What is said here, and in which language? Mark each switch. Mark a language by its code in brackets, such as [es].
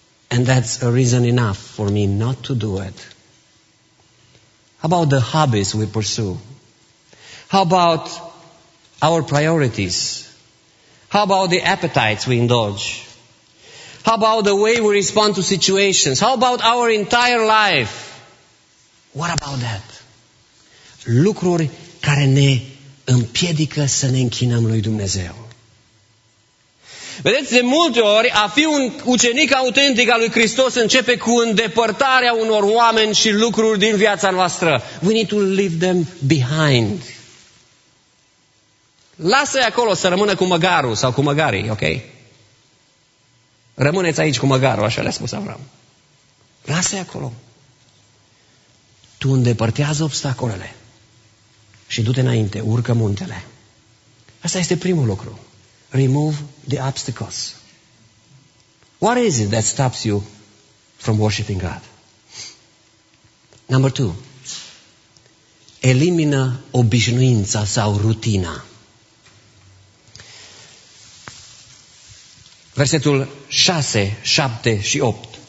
[en] And that's a reason enough for me not to do it. How about the hobbies we pursue? How about our priorities? How about the appetites we indulge? How about the way we respond to situations? How about our entire life? What about that? [ro] Lucruri care ne împiedică să ne închinăm lui Dumnezeu. Vedeți, de multe ori, a fi un ucenic autentic al lui Hristos începe cu îndepărtarea unor oameni și lucruri din viața noastră. [en] We need to leave them behind. [ro] Lasă-i acolo să rămână cu măgarul sau cu măgarii, ok? Rămâneți aici cu măgarul, așa le-a spus Avram. Lasă-i acolo. Tu îndepărtează obstacolele și du-te înainte, urcă muntele. Asta este primul lucru. [en] Remove the obstacles. What is it that stops you from worshiping God? Number 2. [ro] Elimină obișnuința sau rutina. Versetul 6, 7 și 8.